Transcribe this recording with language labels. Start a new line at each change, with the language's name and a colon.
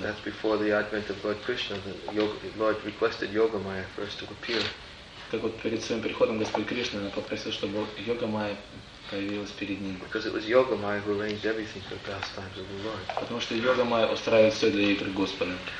English: That's before the advent of Lord Krishna. The Lord requested Yoga Maya first to appear.
Russian: Так вот перед своим приходом Господь Кришна попросил, чтобы Yoga Maya появилась перед ним.
English: Because it was Yoga Maya who arranged everything for the pastimes of the Lord.
Russian: Потому что Yoga Maya устраивает все для игр Господа.